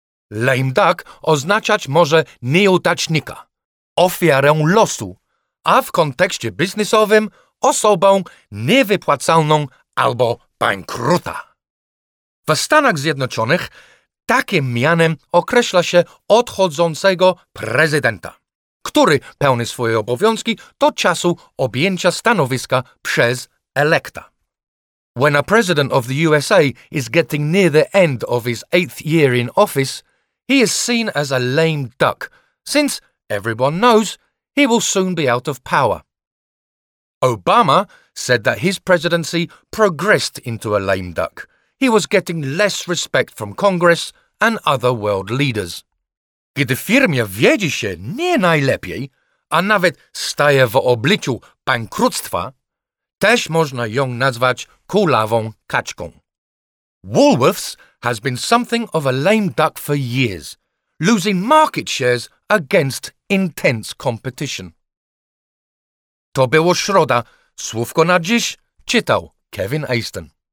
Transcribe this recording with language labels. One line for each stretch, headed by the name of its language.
Polish: Lame duck oznaczać może nieudacznika, ofiarę losu, a w kontekście biznesowym osobą niewypłacalną albo bankruta. W Stanach Zjednoczonych takim mianem określa się odchodzącego prezydenta, który pełni swoje obowiązki do czasu objęcia stanowiska przez elekta.
English: When a president of the USA is getting near the end of his eighth year in office, he is seen as a lame duck, since everyone knows he will soon be out of power. Obama said that his presidency progressed into a lame duck. He was getting less respect from Congress and other world leaders.
Polish: Gdy firmie wiedzie się nie najlepiej, a nawet staje w obliczu bankructwa, też można ją nazwać kulawą kaczką.
English: Woolworths has been something of a lame duck for years, losing market shares against intense competition.
Polish: To było środa. Słówko na dziś czytał Kevin Aston.